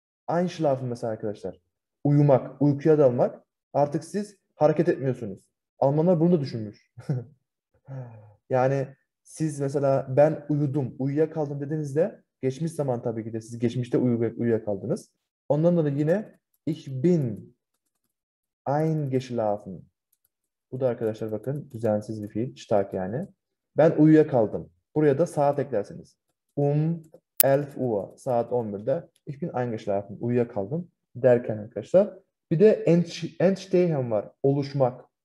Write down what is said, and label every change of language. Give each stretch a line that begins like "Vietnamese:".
Turkish: Einschlafen mesela arkadaşlar. Uyumak, uykuya dalmak. Artık siz hareket etmiyorsunuz. Almanlar bunu da düşünmüş. Yani siz mesela ben uyudum, uyuyakaldım dediğinizde geçmiş zaman tabii ki de siz geçmişte uyuyakaldınız. Ondan dolayı yine
German: ich bin eingeschlafen.
Turkish: Bu da arkadaşlar bakın düzensiz bir fiil. Stark yani. Ben uyuyakaldım. Buraya da saat eklersiniz. 11 Uhr. Saat 11'de.
German: Ich bin eingeschlafen.
Turkish: Uyuyakaldım derken arkadaşlar. Bir de entstehen var. Oluşmak.